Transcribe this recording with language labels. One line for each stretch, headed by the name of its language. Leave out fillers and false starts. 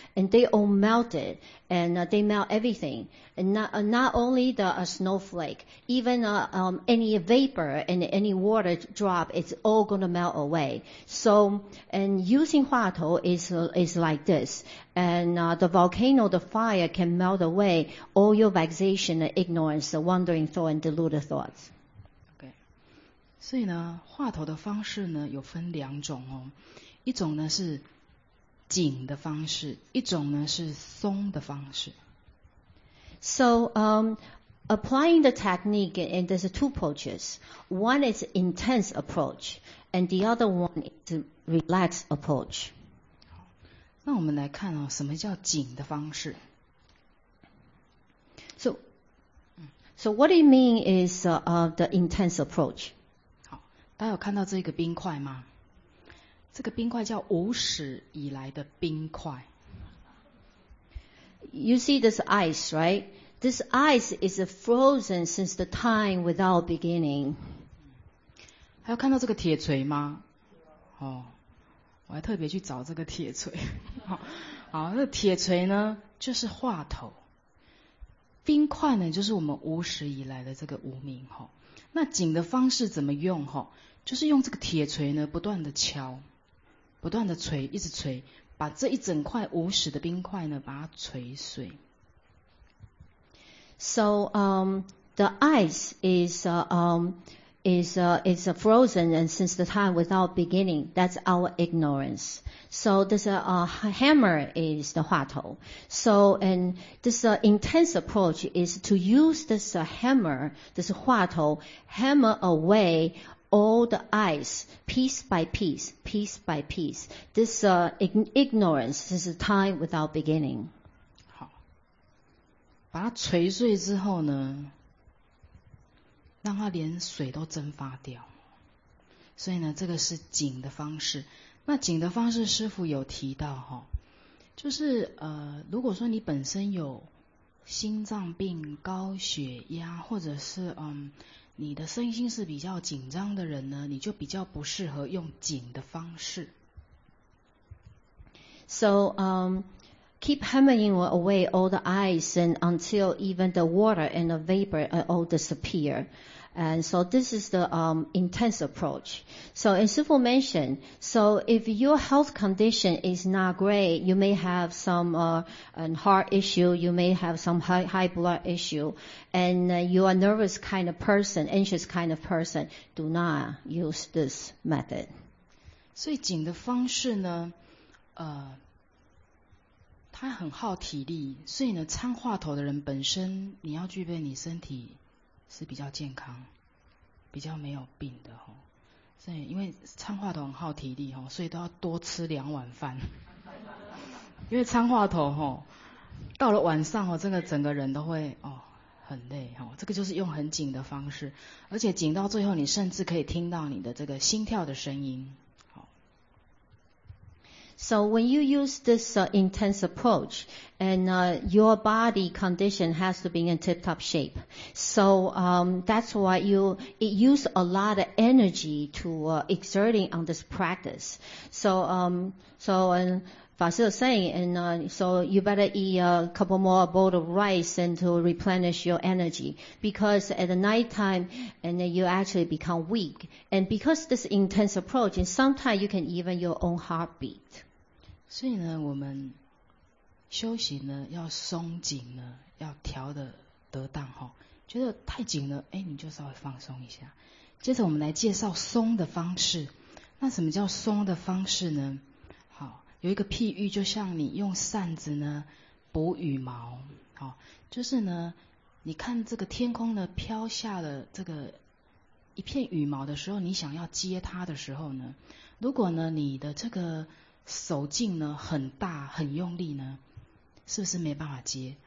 English: And they all melted, and they melt everything. And not only the snowflake, even any vapor and any water drop, it's all going to melt away. So, and using 话头is like this, and the volcano, the fire can melt away all your vexation, ignorance, wandering thought and deluded thoughts. Okay.
Chinese: 所以呢，话头的方式呢有分两种哦，一种呢是紧的方式，一种呢是松的方式。
English: So, applying the technique, and there's two approaches. One is intense approach, and the other one is relaxed approach.
Chinese: 那我们来看哦，什么叫紧的方式
English: ？So what it mean is the intense approach.
Chinese: 好，大家有看到这个冰块吗？这个冰块叫无始以来的冰块。
English: You see this ice, right? This ice is frozen since the time without beginning.
Chinese: 还有看到这个铁锤吗？哦。我还特别去找这个铁锤。好，那铁锤呢就是话头，冰块呢就是我们无始以来的这个无明。那紧的方式怎么用？就是用这个铁锤呢不断的敲，不断的锤，一直锤，把这一整块无始的冰块呢把它锤碎。
English: So the ice is frozen and since the time without beginning. That's our ignorance. So this hammer is the 话头. So, and this intense approach is to use this hammer, this 话头, hammer away all the ice piece by piece, piece by piece. This ignorance, this time without beginning.
Chinese: 好，把它锤碎之后呢，让它连水都蒸发掉，所以呢，这个是紧的方式。那紧的方式，师父有提到哈，就是如果说你本身有心脏病、高血压，或者是你的身心是比较紧张的人呢，你就比较不适合用紧的方式。
English: So, keep hammering away all the ice and until even the water and the vapor all disappear. And so this is the intense approach. So as Sifu mentioned, so if your health condition is not great, you may have some heart issue, you may have some high blood issue, and you are a nervous kind of person, anxious kind of person, do not use this method.
Chinese: 最紧的方式呢它很耗体力，所以呢，撑话头的人本身，你要具备你身体是比较健康、比较没有病的哈。所以，因为撑话头很耗体力哈，所以都要多吃两碗饭。因为撑话头哈，到了晚上哦，真的整个人都会哦很累哈。这个就是用很紧的方式，而且紧到最后，你甚至可以听到你的这个心跳的声音。
English: So when you use this intense approach, and your body condition has to be in tip-top shape. So that's why it use a lot of energy to exerting on this practice. So Fa Shi was saying, so you better eat a couple more bowls of rice and to replenish your energy. Because at the night time, and then you actually become weak. And because this intense approach, and sometimes you can even your own heartbeat.
Chinese: 所以呢，我们休息呢要松紧呢，要调的得当哈、哦。觉得太紧了，哎，你就稍微放松一下。接着我们来介绍松的方式。那什么叫松的方式呢？好，有一个譬喻，就像你用扇子呢补羽毛，好、哦，就是呢，你看这个天空呢飘下了这个一片羽毛的时候，你想要接它的时候呢，如果呢你的这个手劲呢很大很用力呢，是不是没办法接？